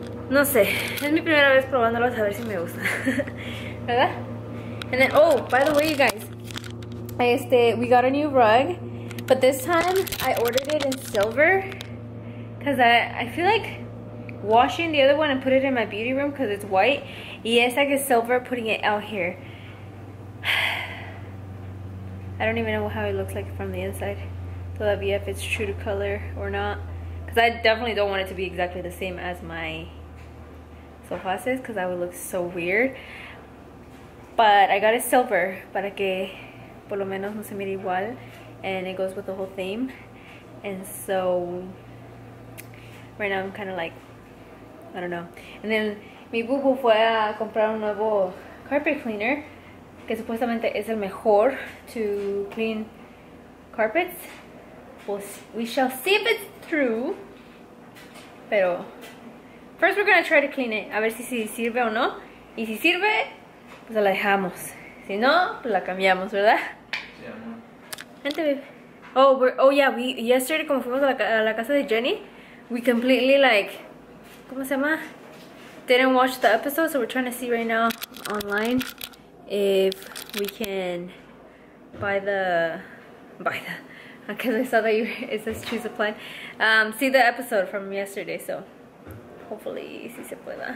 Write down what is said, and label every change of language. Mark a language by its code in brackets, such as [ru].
[es] No sé, es mi primera vez probándolos a ver si me gusta. ¿Verdad? [en] And then, oh, by the way, you guys, we got a new rug, but this time I ordered it in silver because I feel like washing the other one and put it in my beauty room because it's white. [es] Y es [en] like a silver putting it out here. I don't even know how it looks like from the inside. [es] Todavía [en] if it's true to color or not. Because I definitely don't want it to be exactly the same as my sofas is, because that would look so weird. But I got it silver, [es] para que por lo menos no se mire igual. [en] And it goes with the whole theme. And so, right now I'm kind of like, I don't know. And then, [es] mi bubu fue a comprar un nuevo carpet cleaner. Que supuestamente es el mejor [en] to clean carpets. We shall see if it's true. [es] Pero [en] first we're gonna try to clean it. [es] A ver si sirve o no. Y si sirve, pues la dejamos. Si no, pues la cambiamos, ¿verdad? Gente, babe. [en] Yesterday, [es] como fuimos a la casa de Jenny, [en] we completely, like, [es] ¿cómo se llama? [en] Didn't watch the episode, so we're trying to see right now online. If we can buy the because I saw that it says choose a plan, see the episode from yesterday, so hopefully [es] si se pueda.